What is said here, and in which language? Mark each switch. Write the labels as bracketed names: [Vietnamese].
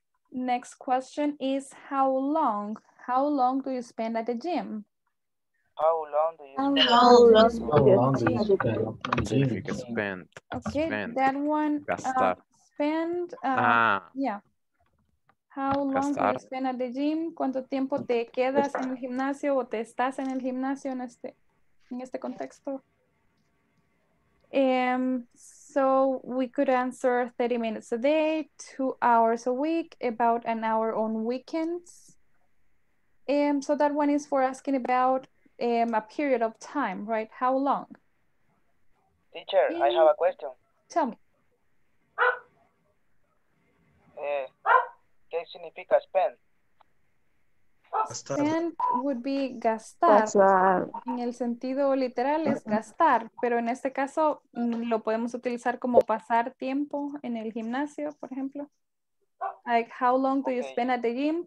[English] Next question is how long? How long do you spend at the gym? How long do you spend? Okay, that one. How long do you spend at the gym? [Spanish] ¿Cuánto tiempo te quedas en el gimnasio o te estás en el gimnasio en este contexto? [English] So we could answer 30 minutes a day, 2 hours a week, about an hour on weekends. So that one is for asking about a period of time, right? How long? Teacher, I have a question. Tell me. [Spanish] ¿Qué significa spend? [English] Spend would be gastar. [Spanish] En el sentido literal es gastar, pero en este caso lo podemos utilizar como pasar tiempo en el gimnasio, por ejemplo. [English] Like, how long do you spend at the gym?